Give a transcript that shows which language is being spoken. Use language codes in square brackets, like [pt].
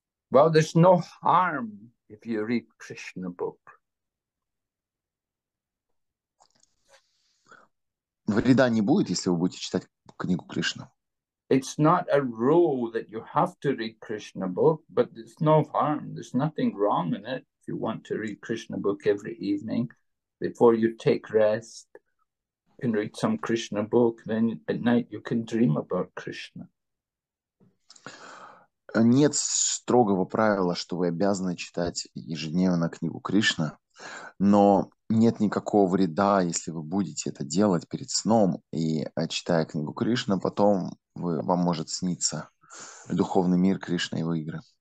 [en] Well, there's no harm if you read Krishna book. [ru] Вреда не будет, если вы будете читать книгу Кришна. [en] It's not a rule that you have to read Krishna book, but there's no harm. There's nothing wrong in it if you want to read Krishna book every evening. Before you take rest, you can read some Krishna book, then at night you can dream about Krishna. [ru] Нет строгого правила, что вы обязаны читать ежедневно книгу Кришна, но нет никакого вреда, если вы будете это делать перед сном и читая книгу Кришна, потом вам может сниться духовный мир Кришны и его игры.